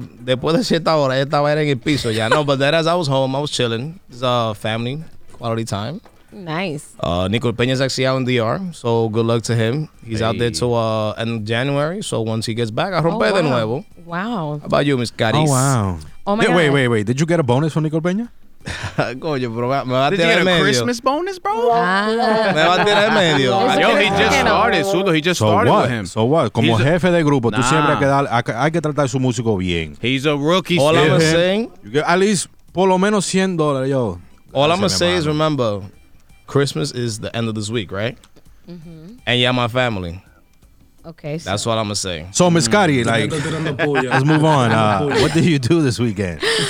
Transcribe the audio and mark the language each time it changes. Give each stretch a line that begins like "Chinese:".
Spanish: Después de 7 horas, yo estaba en el piso ya.
English: No, but then as I was home, I was chilling. It's a family, quality time. Nice. Nico Peña's actually out in DR, so good luck to him. He's out there till in January, so once he gets back,
Spanish: rompe de nuevo.
English: Wow. How about you, Miss Caris? Oh, wow. Oh, my God. Wait. Did you get a bonus from Nico Peña?
Spanish: Coño, bro, me va a tirar medio.
English: Did you get a Christmas bonus, bro?
Spanish: Me va a tirar medio.
English: Yo, he just started, Sudo. He just started with him. So what?
Spanish: Como jefe de grupo, tú siempre hay que tratar su músico bien.
English: He's a rookie. All I'm saying. At least,
Spanish: por lo menos $100, yo.
English: All I'm going to say is, remember, Christmas is the end of this week, right? Mm-hmm. And yeah, my family. Okay. So. That's what I'm going to say. So, Mezcari, let's move on. What did you do this weekend?